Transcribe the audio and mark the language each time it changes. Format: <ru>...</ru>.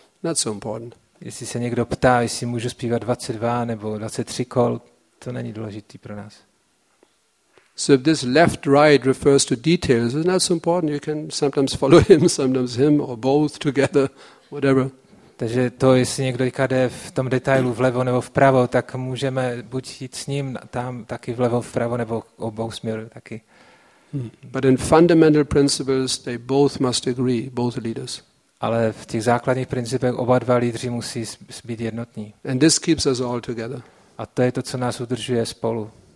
<en>Not so important.</en> <cs>Jestli se někdo ptá, jestli můžu zpívat 22 nebo 23 kol, to není důležitý pro nás.</cs> <en>So if this left right refers to details, it's not so important. You can sometimes follow him, sometimes him, or both together, whatever.</en> <cs>Takže to, jestli někdo jde v tom detailu vlevo nebo vpravo, tak můžeme buď jít s ním tam taky vlevo, vpravo nebo obou směru taky.</cs> <en>But in fundamental principles they both must agree, both leaders.</en> <cs>Ale v těch základních principech oba dva lídři musí být jednotní.</cs> <en>And this keeps us all together.</en> <cs>A to je to, co nás udržuje spolu.</cs>